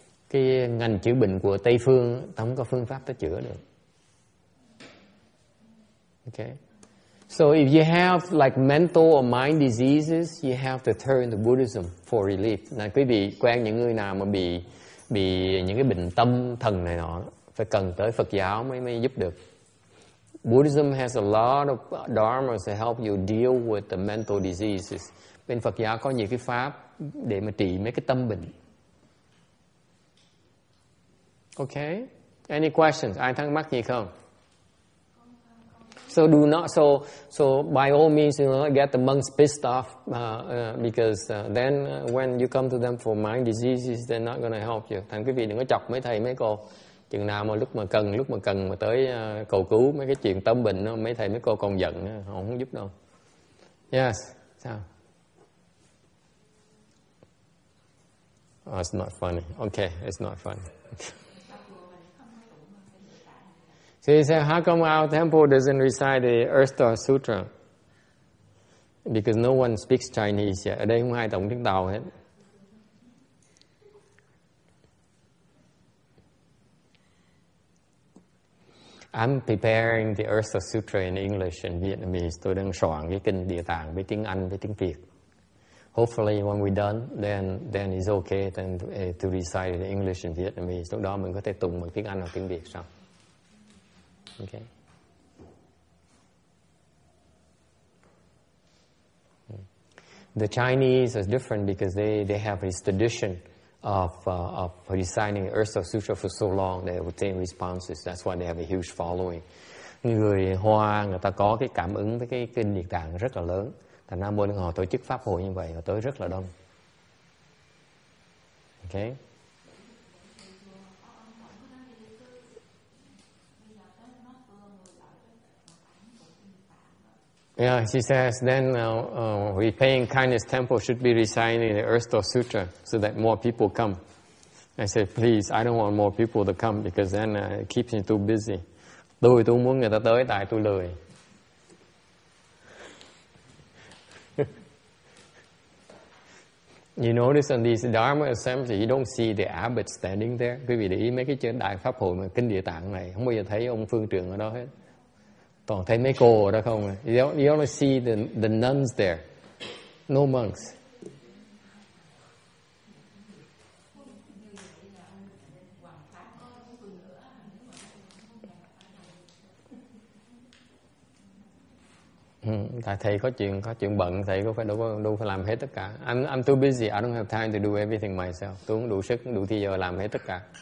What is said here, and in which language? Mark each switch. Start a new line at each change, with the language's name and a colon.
Vietnamese: Cái ngành chữa bệnh của Tây phương không có phương pháp để chữa được.
English: Okay. So if you have like mental or mind diseases, you have to turn to Buddhism for relief.
Vietnamese: Này quý vị quen những người nào mà bị những cái bệnh tâm thần này nọ phải cần tới Phật giáo mới giúp được.
English: Buddhism has a lot of dharmas to help you deal with the mental diseases.
Vietnamese: Bên Phật giáo có nhiều cái pháp để mà trị mấy cái tâm bệnh.
English: Okay. Any questions?
Vietnamese: Ai thắc mắc gì không?
English: So do not. So by all means, you know, get the monks pissed off because then when you come to them for mind diseases, they're not going to help you.
Vietnamese: Thành quý vị đừng có chọc mấy thầy mấy cô. Chừng nào mà lúc mà cần mà tới cầu cứu mấy cái chuyện tâm bệnh đó, mấy thầy mấy cô còn giận, họ không giúp đâu.
English: Yes.
Vietnamese: Sao?
English: Oh, it's not funny. Okay, it's not funny. So he said, how come our temple doesn't recite the Earth Store Sutra? Because no one speaks Chinese yet.
Vietnamese: Ở đây không ai đồng tiếng Tàu hết.
English: I'm preparing the Earth Store Sutra in English and Vietnamese.
Vietnamese: Tôi đang soạn cái kinh Địa Tạng với tiếng Anh với tiếng Việt.
English: Hopefully when we're done, then it's okay then to recite in English and Vietnamese.
Vietnamese: Lúc đó mình có thể tụng bằng tiếng Anh hoặc tiếng Việt xong.
English: Okay. The Chinese is different because they have this tradition of reciting Earth Store Sutra for so long, they obtain responses. That's why they have a huge following.
Vietnamese: Người Hoa người ta có cái cảm ứng với cái kinh Địa Tạng rất là lớn. Thành ra mỗi lần họ tổ chức pháp hội như vậy, họ tới rất là đông.
English: Okay. Yeah, she says, then repaying kindness temple should be reciting the Earth Store Sutra so that more people come. I said, please, I don't want more people to come because then it keeps me too busy.
Vietnamese: Tôi không muốn người ta tới tại tôi lười.
English: You notice in these Dharma assembly, you don't see the abbot standing there.
Vietnamese: Quý vị để ý mấy cái chuyện đại pháp hội mà kinh Địa Tạng này, không bao giờ thấy ông phương trưởng ở đó hết. Toàn thấy mấy cô ở đó không?
English: You only see the nuns there. No monks.
Vietnamese: Tại thầy có chuyện bận, thầy có phải đâu phải làm hết tất cả.
English: I'm too busy, I don't have time to do everything myself.
Vietnamese: Tôi không đủ sức, đủ thời giờ làm hết tất cả.